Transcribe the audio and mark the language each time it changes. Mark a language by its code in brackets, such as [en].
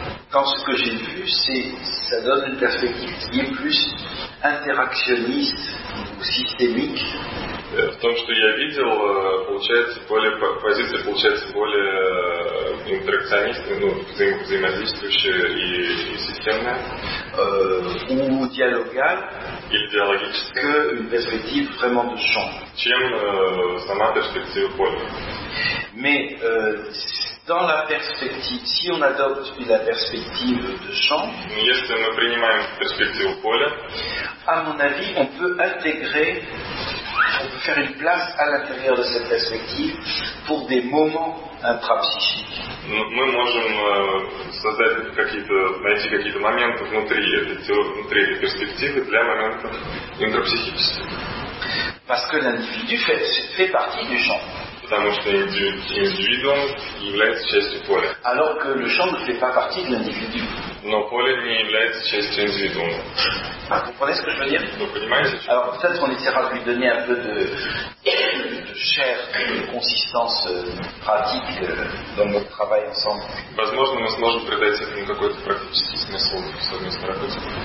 [fr] Quand ce que j'ai vu, c'est ça donne une perspective qui est plus interactionniste ou systémique. [ru] В том, что я видел, получается более позиция получается более интеракционистская, ну взаимодействующая и системная. [fr] Ou dialogale. [ru] Или диалогическая. [fr] Que une perspective vraiment de champ. [ru] Чем сама перспектива поля. [fr] Mais dans la perspective, si on adopte la perspective de champ. [ru] Если мы принимаем перспективу поля. [fr] À mon avis, on peut intégrer. On peut faire une place à l'intérieur de cette perspective pour des moments intrapsychiques. [ru] Мы можем создать какие-то, найти какие-то моменты внутри этой перспективы для моментов интрапсихических. [fr] Parce que l'individu fait partie du champ. [ru] Потому что индивидуум является частью поля. [fr] Alors que le champ ne fait pas partie de l'individu. [ru] Но поле не является частью индивидуума. [fr] Ah, vous comprenez ce que je veux dire? Vous comprenez? Alors peut-être qu'on essaiera de lui donner un peu de chair, de consistance pratique dans notre travail ensemble. [ru] Возможно, мы сможем придать этому какой-то практический смысл в совместной работе.